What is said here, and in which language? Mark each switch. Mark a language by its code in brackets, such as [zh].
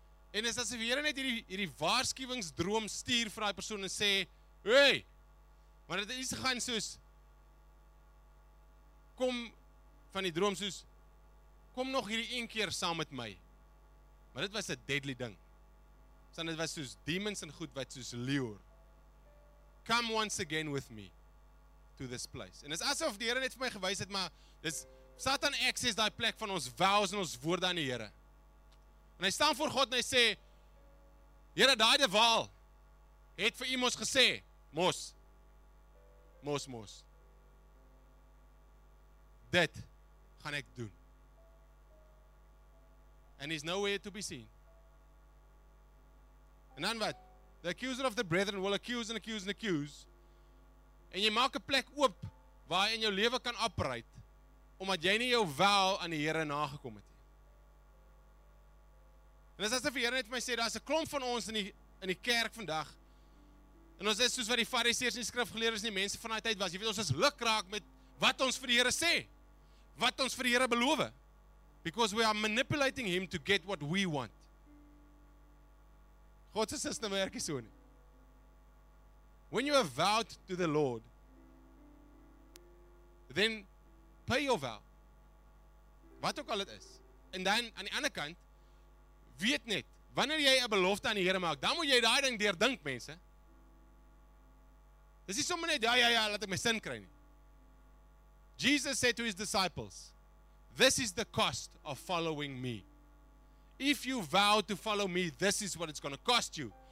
[af] En is asof die Here net hierdie waarskuwingsdroom stuur vir daai persoon en sê, hey, maar dit het iets gegaan soos, kom van die droom soos, kom nog hierdie een keer saam met my. Maar dit was 'n deadly ding. Want dit was soos demons en goed wat soos leeuer. [en] Come once again with me to this place. [af] En dit is asof die Here net vir my gewys het, maar dis Satan access daai plek van ons vows en ons woorde aan die Here. En hy staan voor God en hy sê, Here, daai dewaal het vir u mos gesê, mos. Dit gaan ek doen. [en] And he's nowhere to be seen. [af] En dan wat? [en] The accuser of the brethren will accuse and accuse and accuse. [af] En jy maak 'n plek oop waar hy in jou lewe kan operate, omdat jy nie jou wel aan die Here nagekom het nie. En dis asof die Here net vir my sê, daar's 'n klomp van ons in die kerk vandag. En ons is soos wat die fariseërs en die skrifgeleerdes en die mense van daai tyd was. Jy weet, ons is lukraak met wat ons vir die Here sê. Wat ons vir die Here beloof. [en] Because we are manipulating him to get what we want. [af] God se sisteem werk nie so nie. [en] When you have vowed to the Lord, then pay your vow. [af] Wat ook al dit is. En dan aan die ander kant, weet net, wanneer jy 'n belofte aan die Here maak, dan moet jy daai ding deurdink, mense. Dis nie sommer net ja, laat ek my sin kry nie. [en] Jesus said to his disciples, "This is the cost of following me." If you vow to follow me, this is what it's going to cost you.